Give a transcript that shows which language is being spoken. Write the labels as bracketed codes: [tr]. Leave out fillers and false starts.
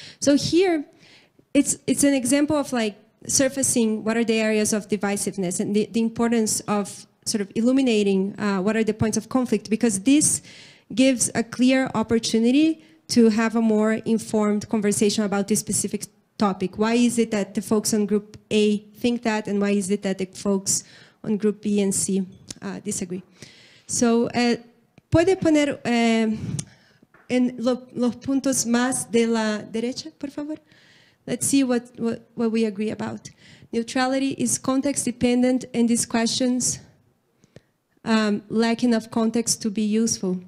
[en] So here, it's an example of like surfacing what are the areas of divisiveness and the importance of sort of illuminating what are the points of conflict, because this gives a clear opportunity to have a more informed conversation about this specific topic. Why is it that the folks on group A think that, and why is it that the folks on group B and C disagree? [es] So, ¿puede poner en los puntos más de la derecha, por favor? [en] Let's see what we agree about. Neutrality is context dependent, and these questions lack enough context to be useful.